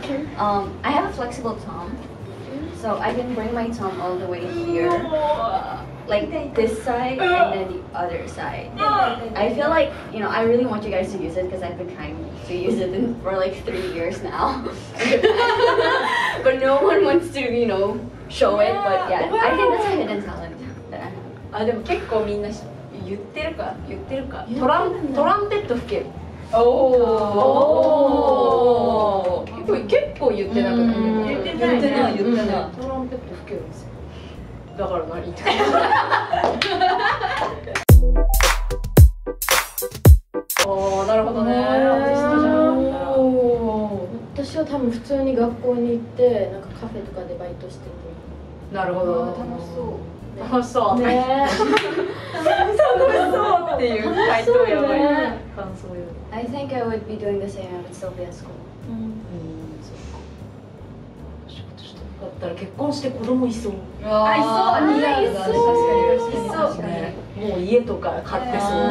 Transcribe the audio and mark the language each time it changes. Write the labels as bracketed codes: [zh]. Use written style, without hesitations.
[en] I have a flexible thumb, so I can bring my thumb all the way here, like this side and then the other side. I feel like, you know, I really want you guys to use it because I've been trying to use it for like 3 years now. But no one wants to, you know, show it, but yeah, I think that's a hidden talent that I have. [ja] あ、でも結構みんな知ってる。言ってるか言ってるか、トラン、トランペット吹ける、おお、結構言ってなくて、言ってない、言ってない、言ってない、トランペット吹けるんですよ、だから何言ってるおお、なるほどね、アーティストじゃなかった、私は多分普通に学校に行ってなんかカフェとかでバイトしてて、なるほど、楽しそう、楽しそう、ね、楽しそうっていう回答よ、ね、感想よ、 [en] I think I would be doing the same, I would still be at school、 [ja] うん、うん、そっか、仕事したかったら結婚して子供いそう、あ、いそう、似合う、確かに、いそう、もう家とか買ってそう、